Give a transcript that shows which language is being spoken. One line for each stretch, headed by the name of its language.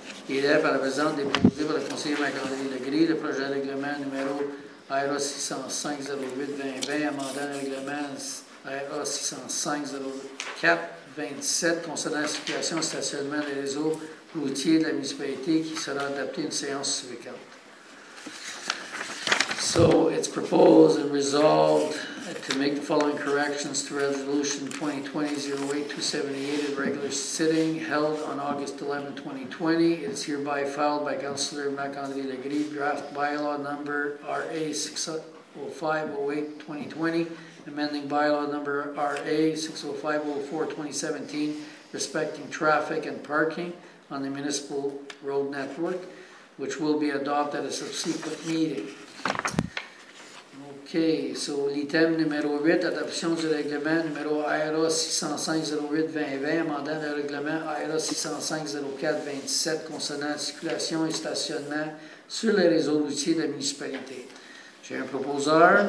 French: Il est par la présente déposé par le conseiller Marc-André Legris le projet de règlement numéro AERA 605-08-2020, amendant le règlement AERA 605-04-27 concernant la situation stationnement des réseaux routiers de la municipalité qui sera adapté à une séance suivante.
English: So, it's proposed and resolved to make the following corrections to Resolution 2020-08-278 at regular sitting held on August 11, 2020. It is hereby filed by Councillor Marc-André Legris, draft bylaw number RA 605-08-2020. Amending bylaw number RA 605-04-2017 respecting traffic and parking on the municipal road network, which will be adopted at a subsequent meeting.
French: Okay, so l'item numéro 8, adoption du règlement numéro AERA 605-08-2020, amendant le règlement AERA 605-04-27 concernant la circulation et stationnement sur les réseaux routiers de la municipalité. J'ai un proposeur.